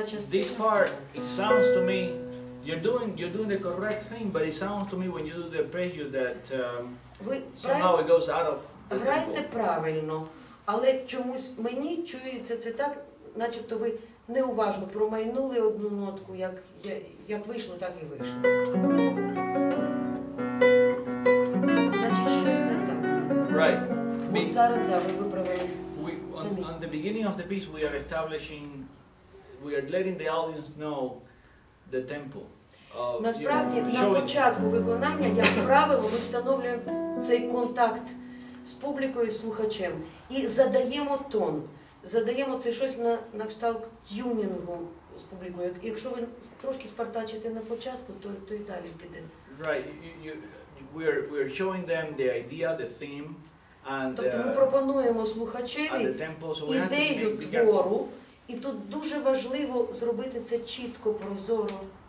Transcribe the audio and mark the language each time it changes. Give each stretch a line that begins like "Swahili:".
English: This part, it sounds to me, you're doing the correct thing, but it sounds to me when you do the arpeggio that somehow it goes out of the
Ukrainian: tempo. Граєте правильно. Але чомусь мені чується це так, начебто ви неуважно промайнули одну нотку, як вийшло, так і вийшло. Значить, щось не так.
English: Right.
Ukrainian: От зараз, да, ви виправились самі.
English: On the beginning of the piece, we are establishing, we are letting the audience know the tempo.
Ukrainian: Насправді, на початку виконання, як правило, ми встановлюємо цей контакт з публікою, з слухачем, і задаємо тон, задаємо це щось на кшталт тюнінгу з публікою. Якщо ви трошки спартачите на початку, то і далі піде.
English: Right, we're showing them the idea, the theme, and
Ukrainian: тобто ми пропонуємо слухачеві ідею твору, і тут дуже важливо зробити це чітко, прозоро,